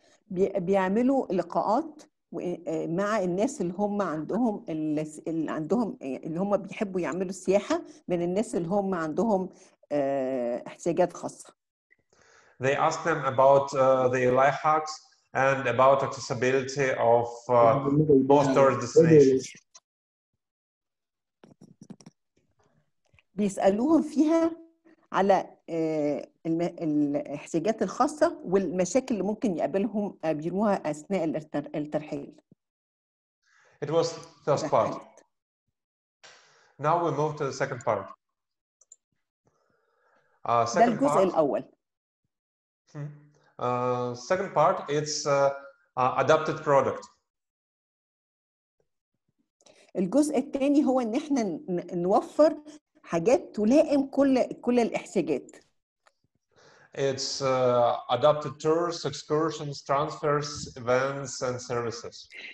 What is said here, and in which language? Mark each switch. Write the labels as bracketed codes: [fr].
[ar] بيعملوا لقاءات مع الناس اللي هم عندهم اللي عندهم اللي هم بيحبوا يعملوا سياحة من الناس اللي هم عندهم احتياجات خاصة. [en] They ask them about the life hacks and about accessibility of most tourist destinations. [ar] بيسألوهم فيها على الاحتياجات الخاصة والمشاكل اللي ممكن يقابلهم بيروها أثناء الترحيل. [en] It was the first part. Now we move to the second part. [ar] ده الجزء الأول. [en] Second part, it's adapted product. [ar] الجزء الثاني هو إن إحنا نوفر حاجات تلائم كل الاحتياجات. [en] It's adapted tours, excursions, transfers, events, and services.